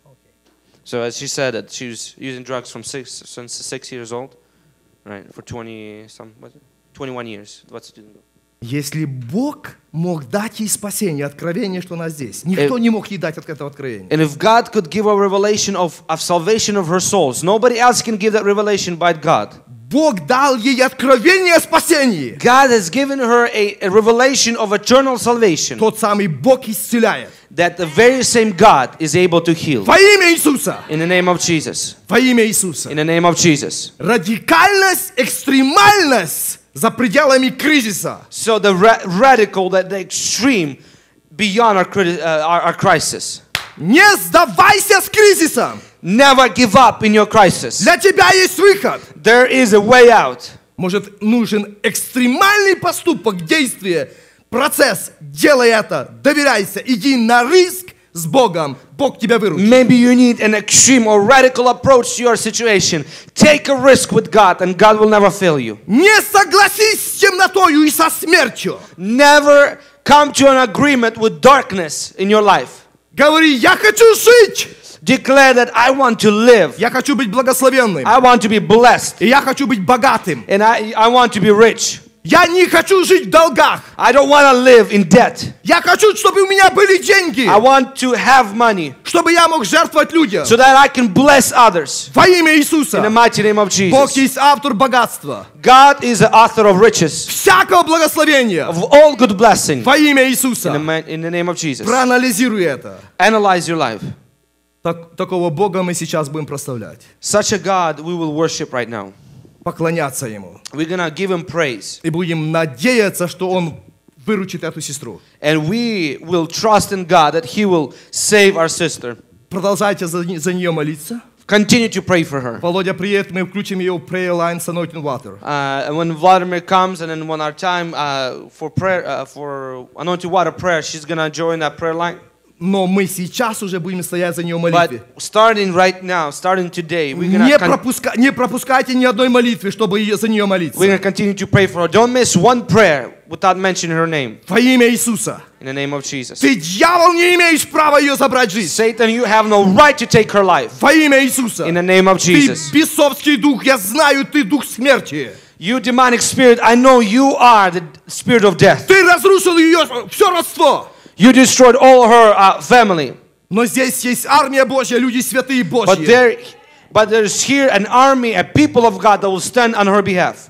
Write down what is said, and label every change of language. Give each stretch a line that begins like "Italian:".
English: Okay. So as she said that she was using drugs from since 6 years old, right, for 21 years. 22 years.
Russian: Если Бог мог дать ей спасение, откровение, что она здесь, никто не мог ей дать это откровение.
English: And if God could give a revelation of salvation of her souls, nobody else can give that revelation but God.
Russian: Бог дал ей откровение о спасении.
English: God has given her a revelation of eternal salvation.
Russian: Тот самый Бог исцеляет.
English: That the very same God is able to heal.
Russian: Во имя Иисуса.
English: In the name of Jesus.
Russian: Во имя Иисуса.
English: In the name of Jesus.
Russian: Радикальность, экстремальность. За пределами кризиса.
English: So the radical, the extreme, beyond our crisis.
Russian: Не сдавайся с кризисом.
English: Never give up in your crisis.
Russian: Для тебя есть выход.
English: There is a way out.
Russian: Может, нужен экстремальный поступок, действие, процесс. Делай это, доверяйся, иди на риск с Богом. Бог тебя выручит.
English: Maybe you need an extreme or radical approach to your situation. Take a risk with God and God will never fail you.
Russian: Не согласись с темнотою и со смертью.
English: Never come to an agreement with darkness in your life.
Russian: Говори, я хочу жить.
English: Declare that I want to live.
Russian: Я хочу быть благословенным.
English: I want to be blessed.
Russian: И я хочу быть богатым.
English: And I want to be rich.
Russian: Я не хочу жить в долгах.
English: I don't want to live in debt.
Russian: Я хочу, чтобы у меня были деньги.
English: I want to have money.
Russian: Чтобы я мог жертвовать людям.
English: So that I can bless others.
Russian: Во имя Иисуса.
English: In the mighty name of Jesus.
Russian: Бог есть автор богатства.
English: God is the author of riches.
Russian: Всякого благословения.
English: Of all good blessings.
Russian: Во имя Иисуса.
English: In the name of Jesus.
Russian: Проанализируй это.
English: Analyze your life.
Russian: Такого Бога мы сейчас будем прославлять.
English: Such a God we will worship right now.
Russian: Поклоняться ему.
English: We're gonna give him praise.
Russian: И будем надеяться, что он выручит эту сестру.
English: And we will trust in God that he will save our sister.
Russian: Продолжайте за нее молиться.
English: Continue to pray for her.
Russian: Володя приедет, мы включим ее в
English: prayer line
Russian: с
English: anointing water. When Vladimir comes and then when our time for anointing water prayer, she's gonna join that prayer line.
Russian: Но мы сейчас уже будем стоять за нее молитвы.
English: But starting right now, starting today, we're gonna
Russian: не пропускайте ни одной молитвы, чтобы за нее молиться.
English: We're gonna continue to pray for her. Don't miss one prayer without mentioning her name.
Russian: Во имя Иисуса.
English: In the name of Jesus.
Russian: Ты дьявол не имеешь права ее забрать жизнь.
English: Satan, you have no right to take her life.
Russian: Во имя Иисуса.
English: In the name of Jesus.
Russian: Ты бесовский дух, я знаю, ты дух смерти.
English: You demonic spirit, I know you are the spirit of death.
Russian: Ты разрушил ее все родство.
English: You destroyed all her family.
Russian: Но здесь есть армия Божья, люди святые Божьи.
English: But there But there's here an army, a people of God that will stand on her behalf.